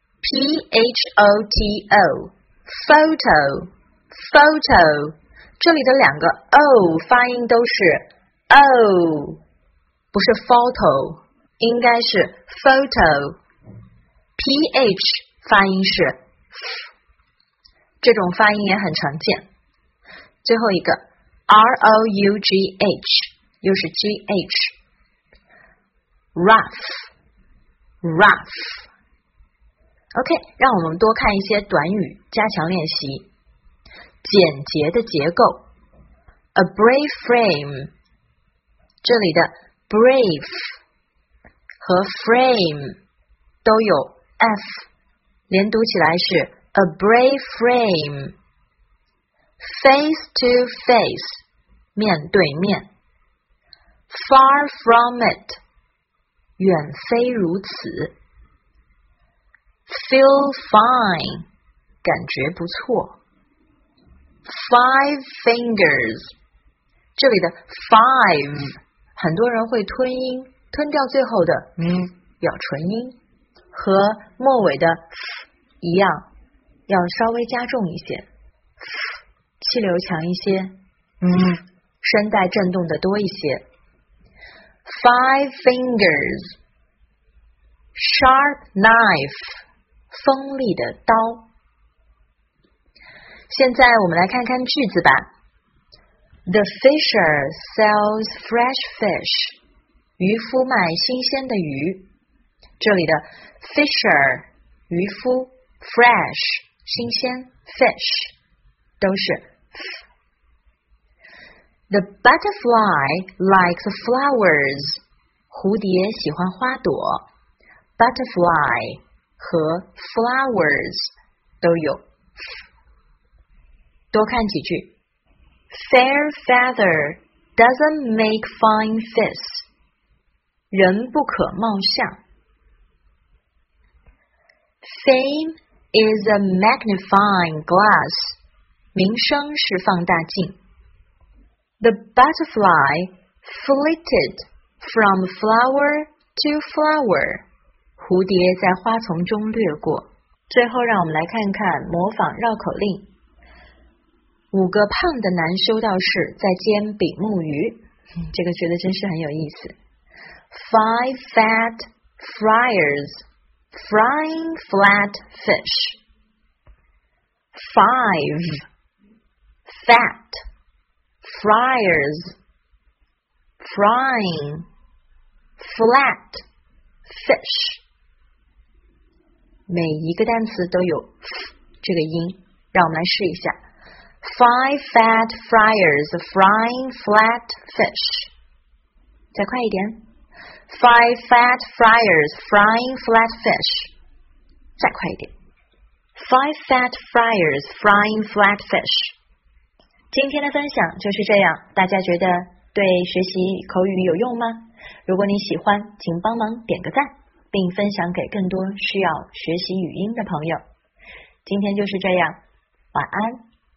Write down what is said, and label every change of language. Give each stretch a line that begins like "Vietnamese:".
English: photo， photo， photo。
Chinese: 这里的两个 o 发音都是 o， 不是 photo， 应该是 photo。 PH 发音是 f， 这种发音也很常见。最后一个 ROUGH 又是 GH， rough， rough。 OK， 让我们多看一些短语加强练习。简洁的结构，
English: a brave frame，
Chinese: 这里的 brave 和 frame 都有F， 连读起来是 a brave frame。
English: face to face，
Chinese: 面对面。
English: far from it，
Chinese: 远非如此。
English: feel fine，
Chinese: 感觉不错。 five fingers， 这里的 five 很多人会吞音，吞掉最后的咬唇音，和末尾的 f 一样，要稍微加重一些，气流强一些，声带震动的多一些。
English: Five fingers, sharp knife,
Chinese: 锋利的刀。现在我们来看看句子吧。
English: The fisher sells fresh fish,
Chinese: 渔夫卖新鲜的鱼。这里的 fisher, 渔夫， fresh, 新鲜， fish, 都是 f。
English: The butterfly likes flowers.
Chinese: 蝴蝶喜欢花朵。 Butterfly 和 flowers 都有。多看几句。
English: Fair feather doesn't make fine fish.
Chinese: 人不可貌相。
English: Fame is a magnifying glass.
Chinese: 名声是放大镜。
English: The butterfly flitted from flower to flower.
Chinese: 蝴蝶在花丛中掠过。最后让我们来看看模仿绕口令。五个胖的男修道士在煎比目鱼。这个觉得真是很有意思。
English: Five fat friars frying flat fish. Five fat. Friars, frying, flat, fish.
Chinese: 每一个单词都有 f 这个音，让我们来试一下。
English: Five fat friars frying flat fish.
Chinese: 再快一点。
English: Five fat friars frying flat fish.
Chinese: 再快一点。
English: Five fat friars frying flat fish.
Chinese: 今天的分享就是这样，大家觉得对学习口语有用吗？如果你喜欢，请帮忙点个赞，并分享给更多需要学习语音的朋友。今天就是这样，晚安。